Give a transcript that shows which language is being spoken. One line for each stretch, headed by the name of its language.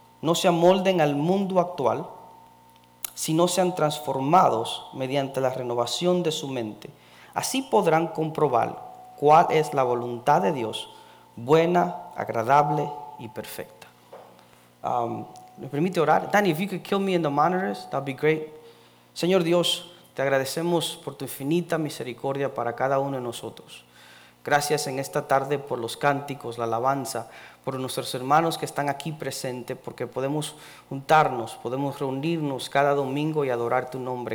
Spanish: No se amolden al mundo actual, sino sean transformados mediante la renovación de su mente. Así podrán comprobar cuál es la voluntad de Dios, buena, agradable y perfecta. ¿Me permite orar?
English: Danny, if you could kill me in the monitors, that'd be great.
Spanish: Señor Dios, te agradecemos por tu infinita misericordia para cada uno de nosotros. Gracias en esta tarde por los cánticos, la alabanza, por nuestros hermanos que están aquí presentes, porque podemos juntarnos, podemos reunirnos cada domingo y adorar tu nombre.